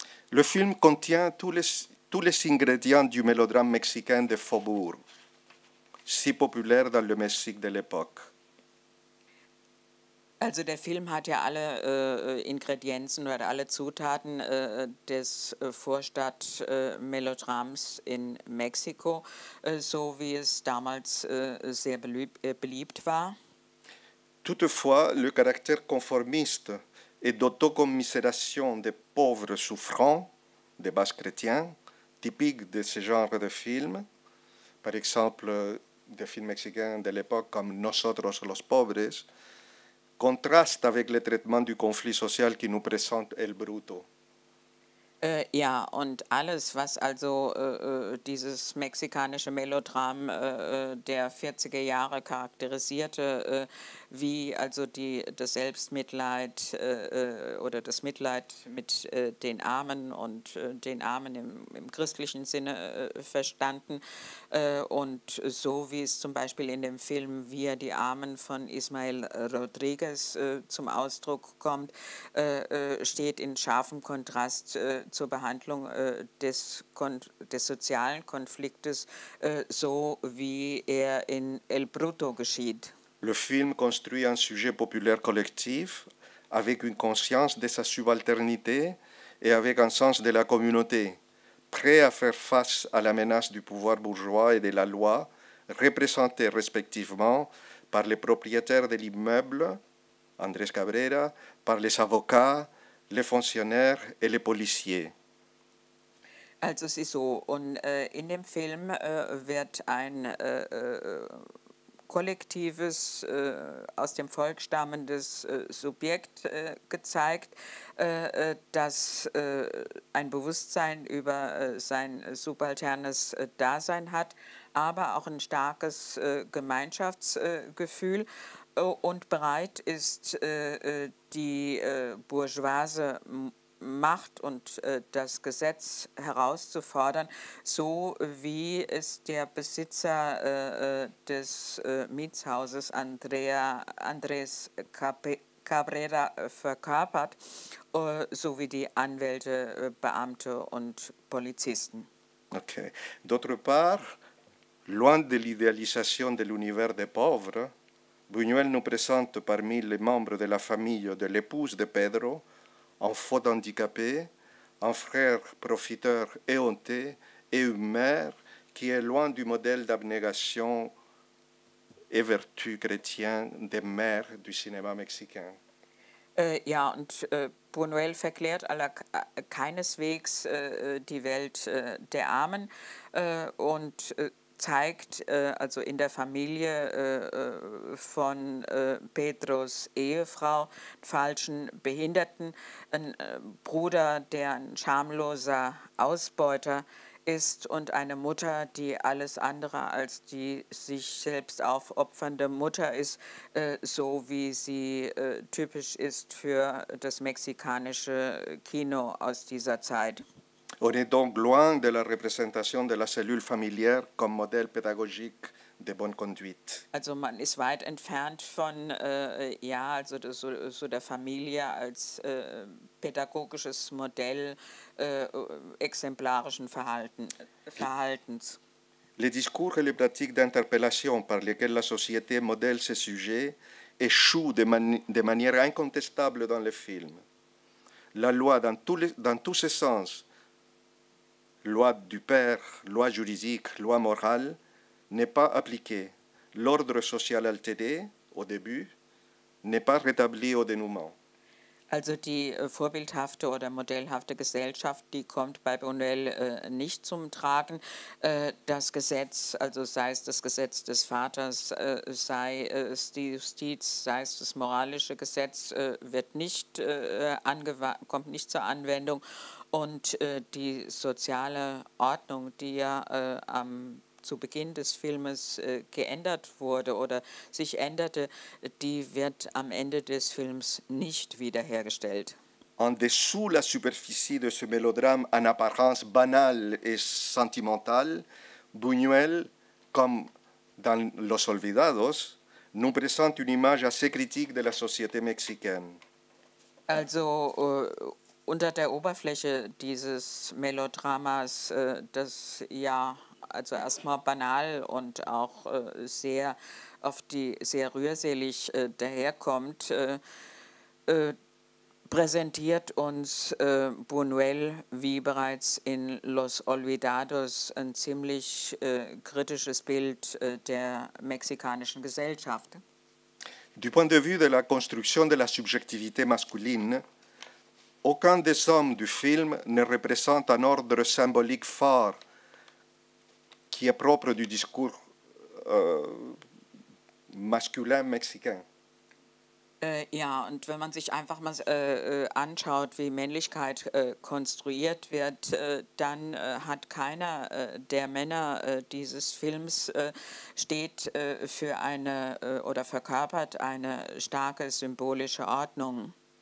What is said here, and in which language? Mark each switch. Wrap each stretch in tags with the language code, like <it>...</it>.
<fr>Le film contient tous les ingrédients du mélodrame mexicain de Faubourg, si populaire dans le Mexique de l'époque.</fr> <de>Also der Film hat ja alle Ingredienzen oder alle Zutaten des Vorstadt-Melodrams in Mexiko, so wie es damals sehr beliebt war.</de> <fr>Toutefois, le caractère conformiste et d'autocommisération des pauvres souffrants, des basses chrétiens, typique de ce genre de film, par exemple des films mexicains de l'époque comme Nosotros los Pobres, contraste avec le traitement du conflit social qui nous présente El Bruto.</fr> <de>Ja, und alles, was also dieses mexikanische Melodram der 40er Jahre charakterisierte, wie also das Selbstmitleid oder das Mitleid mit den Armen und den Armen im christlichen Sinne verstanden und so wie es zum Beispiel in dem Film Wir die Armen von Ismael Rodriguez zum Ausdruck kommt, steht in scharfem Kontrast zur Behandlung des sozialen Konfliktes, so wie er in El Bruto geschieht.</de> <fr>Le film construit un sujet populaire collectif avec une conscience de sa subalternité et avec un sens de la communauté, prêt à faire face à la menace du pouvoir bourgeois et de la loi, représentée respectivement par les propriétaires de l'immeuble, Andrés Cabrera, par les avocats, les fonctionnaires et les policiers.</fr> <de>Also</de> <fr>c'est</fr> <de>so. Und in dem Film wird ein kollektives, aus dem Volk stammendes Subjekt gezeigt, das ein Bewusstsein über sein subalternes Dasein hat, aber auch ein starkes Gemeinschaftsgefühl und bereit ist, die bourgeoise Macht und das Gesetz herauszufordern, so wie es der Besitzer des Mietshauses Andrés Cabrera verkörpert, sowie die Anwälte, Beamte und Polizisten. Okay.</de> <fr>D'autre part, loin de l'idéalisation de l'univers des pauvres, Buñuel nous présente parmi les membres de la famille de l'épouse de Pedro un faux handicapé, un frère profiteur et honté, et une mère qui est loin du modèle d'abnégation et vertu chrétien des mères du cinéma mexicain.</fr> <de>Ja, und Buñuel verklärt keineswegs die Welt der Armen und zeigt also in der Familie von Pedros Ehefrau einen falschen Behinderten, einen Bruder, der ein schamloser Ausbeuter ist und eine Mutter, die alles andere als die sich selbst aufopfernde Mutter ist, so wie sie typisch ist für das mexikanische Kino aus dieser Zeit.</de> <fr>On est donc loin de la représentation de la cellule familiale comme modèle pédagogique de bonne conduite.</fr> <de>Also man ist weit entfernt von ja, also so der Familie als pädagogisches Modell exemplarischen Verhaltens.</de> <fr>Les discours et les pratiques d'interpellation par lesquelles la société modèle ses sujets échouent de manière incontestable dans le film. La loi dans tous ses sens, loi du père, loi juridique, loi morale, n'est pas appliquée. L'ordre social altéré, au début, n'est pas rétabli au dénouement.</fr> <de>Also die vorbildhafte oder modellhafte Gesellschaft, die kommt bei Buñuel nicht zum Tragen. Das Gesetz, also sei es das Gesetz des Vaters, sei es die Justiz, sei es das moralische Gesetz, wird nicht kommt nicht zur Anwendung. Und die soziale Ordnung, die ja zu Beginn des Filmes geändert wurde oder sich änderte, die wird am Ende des Films nicht wiederhergestellt.</de> <fr>En dessous la superficie de ce mélodrame en apparence banal et sentimental, Buñuel, comme dans Los Olvidados, nous présente une image assez critique de la société mexicaine. Also</fr> <de>unter der Oberfläche dieses Melodramas, das ja also erstmal banal und auch sehr auf die sehr rührselig daherkommt, präsentiert uns Buñuel, wie bereits in Los Olvidados, ein ziemlich kritisches Bild der mexikanischen Gesellschaft.</de> <fr>Du point de vue de la construction de la subjectivité masculine, aucun des hommes du film ne représente un ordre symbolique fort qui est propre du discours masculin mexicain.</fr> <de>Ja, und wenn man sich einfach mal anschaut, wie Männlichkeit konstruiert wird, dann hat keiner der Männer dieses Films steht für eine oder verkörpert eine starke symbolische Ordnung.</de>